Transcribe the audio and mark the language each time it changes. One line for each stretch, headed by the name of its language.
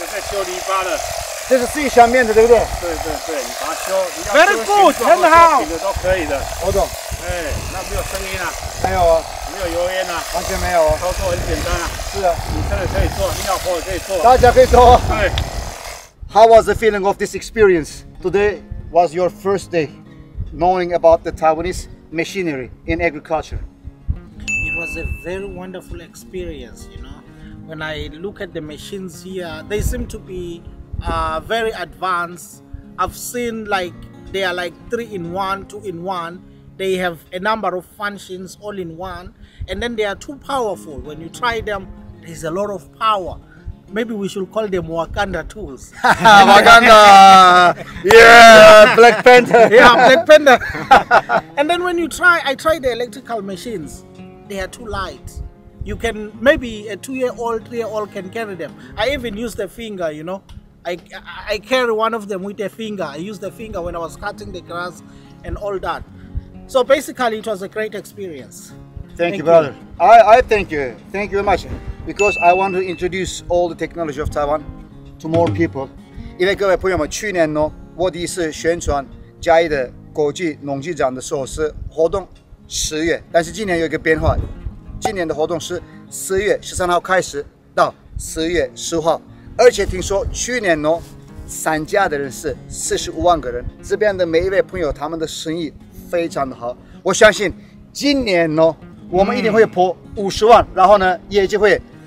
Chinese: 在修篱笆的，这是最下面的，对不对？对对对，你把它修，你要修形状的、很好，都可以的。我懂。哎，那没有声音啊？没有啊，没有油烟啊，完全没有、啊。操作很简单啊。是啊，你真的可以做，你老婆也可以做，大家可以做、啊。对。
English: How was the feeling of this experience? Today was your first day knowing about the Taiwanese machinery in agriculture. It was a very wonderful experience, you know. When I look at the machines here, they seem to be very advanced. I've seen like they are like 3-in-1, 2-in-1. They have a number of functions all in one. And then they are too powerful. When you try them, there's a lot of power. Maybe we should call them Wakanda tools. Wakanda! Yeah, Black Panther! Yeah, Black Panther! And then when you try, I try the electrical machines. They are too light. You can maybe a 2-year-old, 3-year-old can carry them. I even use the finger, you know. I carry one of them with the finger. I use the finger when I was cutting the grass and all that. So basically, it was a great experience. Thank you, brother. I thank you. Thank you very much. Because I want to introduce all the technology of Taiwan to more people.
Chinese: 因为各位朋友们，去年呢，我第一次宣传嘉义的国际农技展的时候是活动10月，但是今年有一个变化。今年的活动是4月13号开始到10月15号，而且听说去年哦，参加的人是45万个人，这边的每一位朋友他们的生意非常的好，我相信今年哦，我们一定会破50万，然后呢业绩会